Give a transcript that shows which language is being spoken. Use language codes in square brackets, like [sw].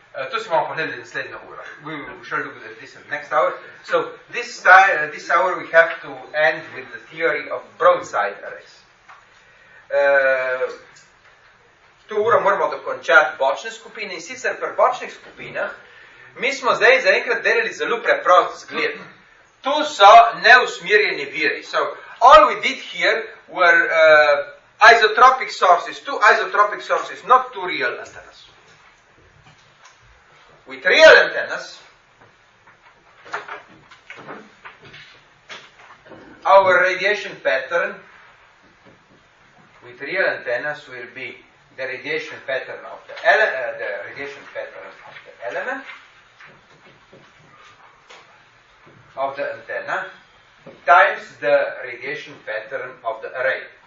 [sl] To si bomo pogledali naslednjo uro. [en] We will sure look at this in the next hour. So this hour we have to end with the theory of broadside arrays. [sl] To uro moramo dokončati bočne skupine in sicer pri bočnih skupinah mi smo zdaj zaenkrat delali zelo preprost zgled. Tu so neusmirjeni viri. [en] So, all we did here were isotropic sources, two isotropic sources, not two real antennas. With real antennas, our radiation pattern with real antennas will be the radiation pattern of the element of the antenna times the radiation pattern of the array.